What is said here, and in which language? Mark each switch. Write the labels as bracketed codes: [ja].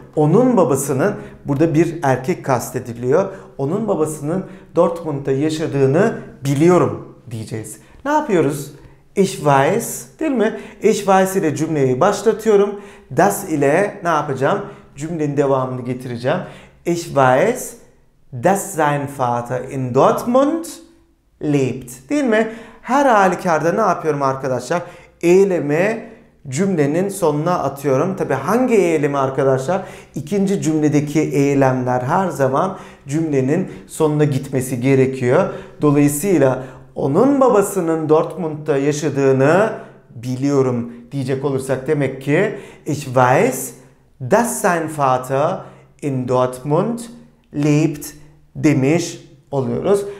[tr] Onun babasının, burada bir erkek kastediliyor. Onun babasının Dortmund'da yaşadığını biliyorum diyeceğiz. Ne yapıyoruz? Ich weiß, değil mi? Ich weiß ile cümleyi başlatıyorum. Das ile ne yapacağım? Cümlenin devamını getireceğim. [de] Ich weiß, dass sein Vater in Dortmund lebt. [tr] Değil mi? Her halükarda ne yapıyorum arkadaşlar? Eylemi cümlenin sonuna atıyorum. Tabii hangi eylemi arkadaşlar? İkinci cümledeki eylemler her zaman cümlenin sonuna gitmesi gerekiyor. Dolayısıyla onun babasının Dortmund'da yaşadığını biliyorum diyecek olursak demek ki Ich weiß, dass sein Vater in Dortmund lebt demiş oluyoruz.